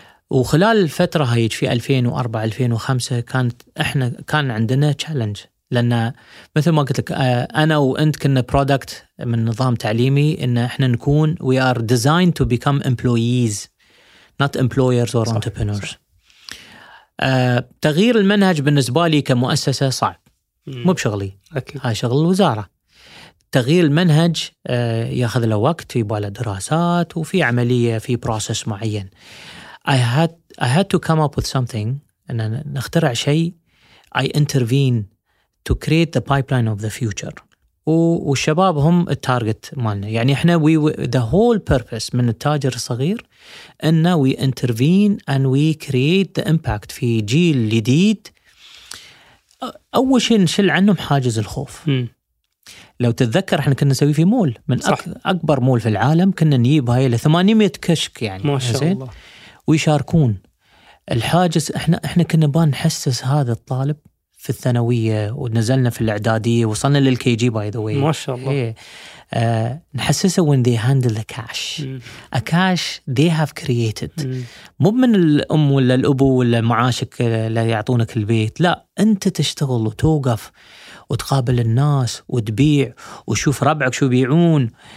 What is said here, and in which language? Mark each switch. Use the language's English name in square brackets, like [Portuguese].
[Arabic] وخلال الفترة هاي في 2004-2005 كان عندنا تشالنج، لأن مثل ما قلت لك أنا وأنت كنا برودكت من النظام التعليمي، إن إحنا نكون [English] we are designed to become employees not employers or entrepreneurs. [Arabic] تغيير المنهج بالنسبة لي كمؤسسة صعب، مو بشغلي، هاي شغل الوزارة. تغيير المنهج ياخذ له وقت، يبقى له دراسات، وفي عملية، في بروسس معين. [English] I had to come up with something، [Arabic] أن نخترع شيء. [English] I intervene to create the pipeline of the future. [Arabic] والشباب هم التارجت مالنا، يعني احنا [English] the whole purpose [Arabic] من التاجر الصغير أن [English] we intervene and we create the impact [Arabic] في جيل جديد. أول شيء نشل عنهم حاجز الخوف. لو تتذكر احنا كنا نسوي في مول من أكبر مول في العالم، كنا نجيب هاي 800 كشك، يعني ما شاء الله، ويشاركون الحاجز. احنا كنا بان نحسس هذا الطالب في الثانوية، ونزلنا في الإعدادية، وصلنا للكي جي [English] by the way, [Arabic] ما شاء الله. [English] نحسسه when they handle the cash. A cash they have created. [Arabic] مو من الأم ولا الأبو ولا معاشك اللي يعطونك البيت، لا، أنت تشتغل وتوقف وتقابل الناس وتبيع وشوف ربعك شو بيعون.